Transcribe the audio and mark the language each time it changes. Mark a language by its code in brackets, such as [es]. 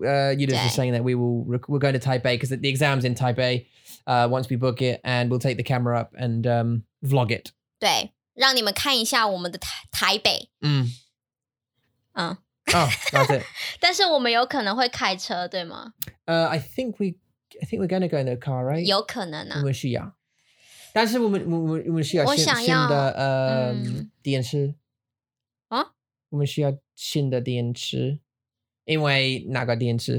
[en] You just were saying that we're going to Taipei because the exam's in Taipei. Once we book it, and we'll take the camera up and vlog it. [zh] 对。让你们看一下我们的台北。 [en] That's it. [zh] 但是我们有可能会开车，对吗？ [en] I think we're going to go in the car, right? [zh] 有可能啊。我们需要新的电池。我们需要新的电池。因为那个电池。